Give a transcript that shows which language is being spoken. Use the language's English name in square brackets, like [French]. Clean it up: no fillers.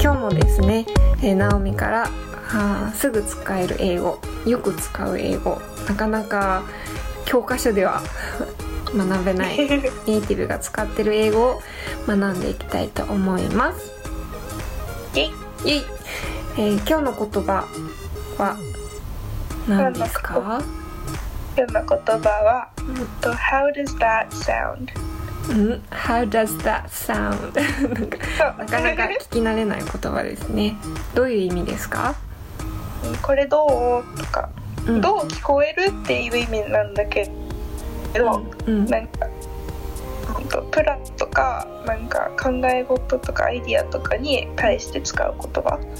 [Japanese] 今日もですね、ナオミからすぐ使える英語、よく使う英語、なかなか教科書では学べないネイティブが使ってる英語を学んでいきたいと思います。イエイ。今日の言葉は何ですか？今日の言葉は、 [English] How does that sound How does that sound? [Japanese] なかなか聞き慣れない言葉ですね。どういう意味ですか？これどうとか、うん、どう聞こえるっていう意味なんだけど、うん、なんかプランとかなんか考え事とかアイディアとかに対して使う言葉。